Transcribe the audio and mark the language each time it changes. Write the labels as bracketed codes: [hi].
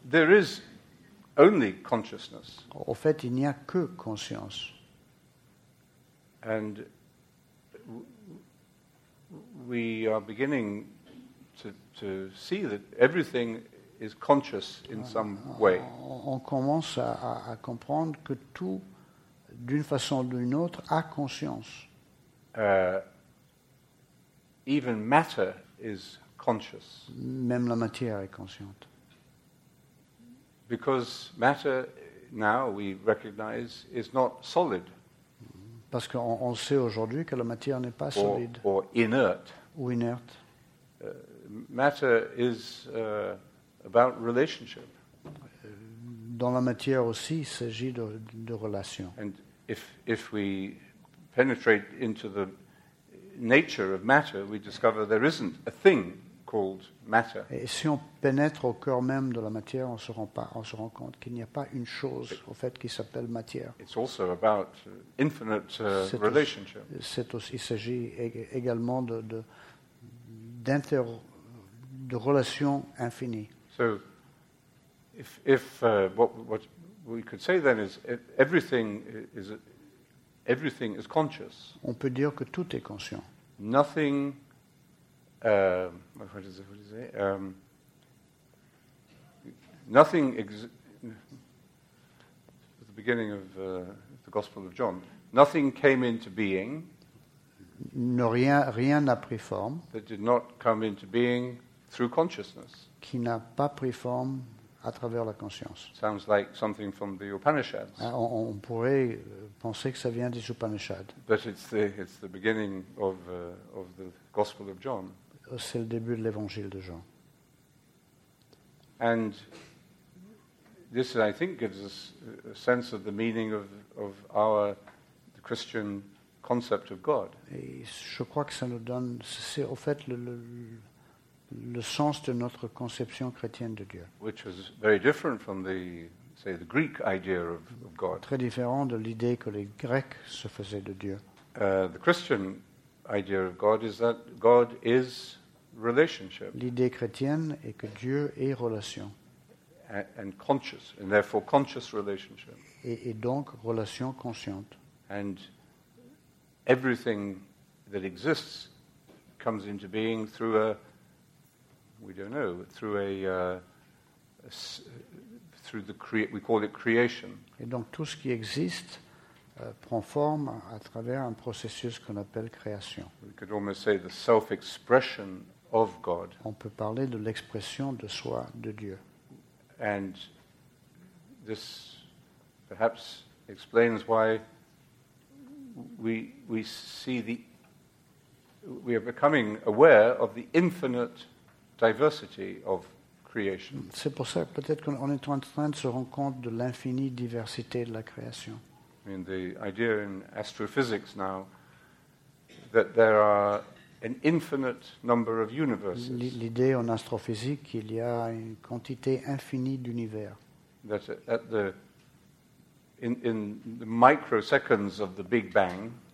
[en] There is only consciousness. [fr] Au fait, il n'y a que conscience. [en] And we are beginning to see that everything is conscious in some way. [fr] On commence à comprendre que tout, d'une façon ou d'une autre, a conscience. [en] Even matter is conscious. [fr] Même la matière est consciente. [en] Because matter, now we recognize, is not solid. [fr] Parce qu'on sait aujourd'hui que la matière n'est pas solide. [en] Or inert. [fr] Ou inerte. [en] Matter is about relationship. [fr] Dans la matière aussi, il s'agit de relations. [en] And if we penetrate into the nature of matter, we discover there isn't a thing called matter. [fr] Et si on pénètre au cœur même de la matière, on se rend compte qu'il n'y a pas une chose au fait qui s'appelle matière. [en] It's also about infinite relationship. [fr] Il s'agit également de relations infinies. [en] So, if what we could say then is everything is conscious. [fr] On peut dire que tout est conscient. [en] Nothing. What is it? Nothing. At the beginning of the Gospel of John, nothing came into being. [fr] Rien n'a pris forme. [en] That did not come into being through consciousness. [fr] Qui n'a pas pris forme à travers la conscience. [en] Sounds like something from the Upanishads. [fr] On pourrait penser que ça vient des Upanishads. [en] But it's the beginning of the Gospel of John. [fr] C'est le début de l'évangile de Jean. [en] And this, I think, gives us a sense of the meaning of our Christian concept of God. [fr] Et je crois que ça nous donne, c'est au fait le sens de notre conception chrétienne de Dieu. [en] Which was very different from the Greek idea of God. [fr] Très différent de l'idée que les Grecs se faisaient de Dieu. [en] The Christian idea of God is that God is relationship. [fr] L'idée chrétienne est que Dieu est relation. [en] And conscious, and therefore conscious relationship. [fr] Et donc relation consciente. [en] And everything that exists comes into being through we call it creation. [fr] Et donc tout ce qui existe prend forme à travers un processus qu'on appelle création. [en] We could almost say the self-expression of God. [fr] On peut parler de l'expression de soi de Dieu. [en] And this perhaps explains why we see the we are becoming aware of the infinite diversity of creation. [fr] C'est pour ça peut-être qu'on est en train de se rendre compte de l'infinie diversité de la création. [en] I mean, the idea in astrophysics now that there are an infinite number of universes. [fr] L'idée en astrophysique qu'il y a une quantité infinie d'univers. [en] That at the in the microseconds of the Big Bang.